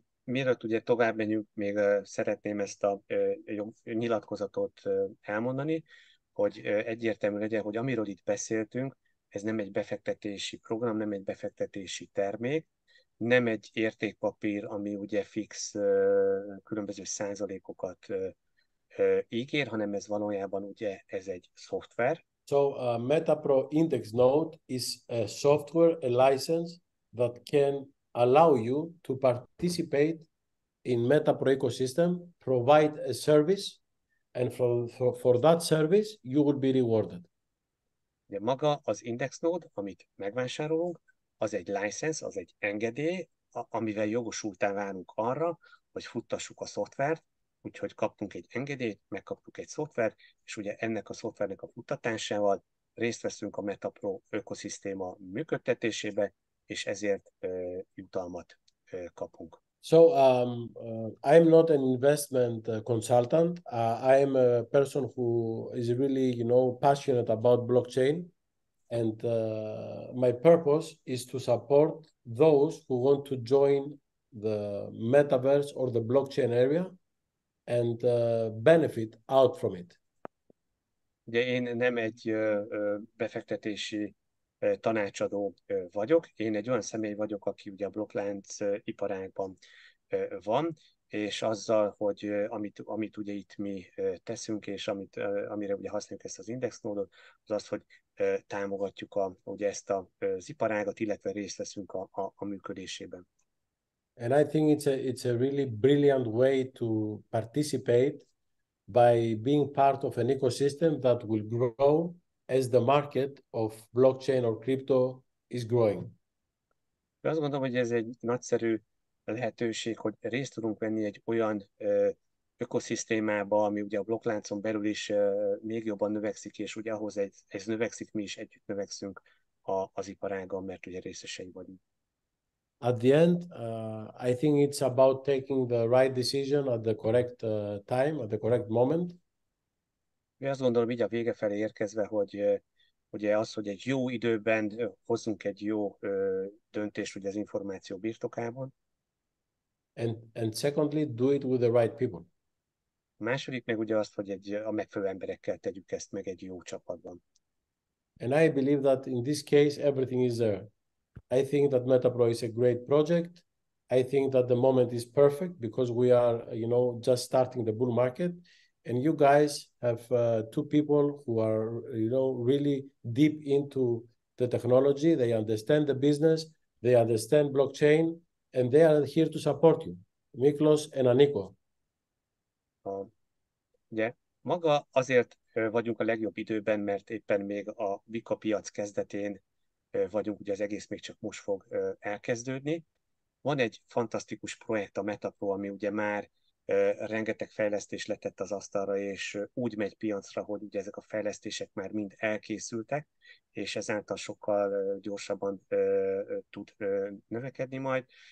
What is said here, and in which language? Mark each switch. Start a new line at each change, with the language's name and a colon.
Hungarian: Mielőtt ugye tovább menjünk, még szeretném ezt a nyilatkozatot elmondani, hogy egyértelmű legyen, hogy amiről itt beszéltünk, ez nem egy befektetési program, nem egy befektetési termék, nem egy értékpapír, ami ugye fix különböző százalékokat ígér, hanem ez valójában ugye ez egy szoftver.
English: So MetaPro Index Node is a software, a license that can allow you to participate in MetaPro ecosystem, provide a service, and for that service you will be rewarded.
Hungarian: De maga az Index Node, amit megvásárolunk, az egy license, az egy engedély, amivel jogosultá válunk arra, hogy futtassuk a szoftvert, úgyhogy kaptunk egy engedélyt, megkaptuk egy szoftvert, és ugye ennek a szoftvernek a futtatásával részt veszünk a MetaPro ökoszisztéma működtetésébe, és ezért jutalmat kapunk.
English: So I'm not an investment consultant. I am a person who is really, you know, passionate about blockchain, and my purpose is to support those who want to join the metaverse or the blockchain area and benefit out from it.
Hungarian: De én nem egy befektetési tanácsadó vagyok. Én egy olyan személy vagyok, aki ugye a blokklánc iparágban van, és azzal, hogy amit ugye itt mi teszünk, és amire ugye használjuk ezt az indexnódot, az az, hogy támogatjuk ugye ezt az iparágat, illetve részt veszünk a működésében.
English: And I think it's a really brilliant way to participate by being part of an ecosystem that will grow as the market of blockchain or crypto is growing.
Hungarian: Én azt gondolom, hogy ez egy nagyszerű lehetőség, hogy részt tudunk venni egy olyan ökoszisztémába, ami ugye a blokkláncon belül is még jobban növekszik, és ugye ahhoz ez növekszik, mi is együtt növekszünk az iparággal, mert ugye részesei vagyunk.
English: At the end, I think it's about taking the right decision at the correct time, at the correct moment.
Hungarian: Én azt gondolom, így a vége felé érkezve, hogy ugye az, hogy egy jó időben hozzunk egy jó döntést ugye az információ birtokában.
English: And secondly, do it with the right people.
Hungarian: A második meg ugye azt, hogy a megfelelő emberekkel tegyük ezt meg egy jó csapatban.
English: And I believe that in this case everything is there. I think that MetaPro is a great project. I think that the moment is perfect because we are, you know, just starting the bull market. And you guys have two people who are, you know, really deep into the technology. They understand the business. They understand blockchain. And they are here to support you, Miklos and Aniko.
Hungarian: Maga azért vagyunk a legjobb időben, mert éppen még a Vika piac kezdetén vagyunk, ugye az egész még csak most fog elkezdődni. Van egy fantasztikus projekt, a MetaPro, ami ugye már rengeteg fejlesztés letett az asztalra, és úgy megy piacra, hogy ugye ezek a fejlesztések már mind elkészültek, és ezáltal sokkal gyorsabban tud növekedni majd.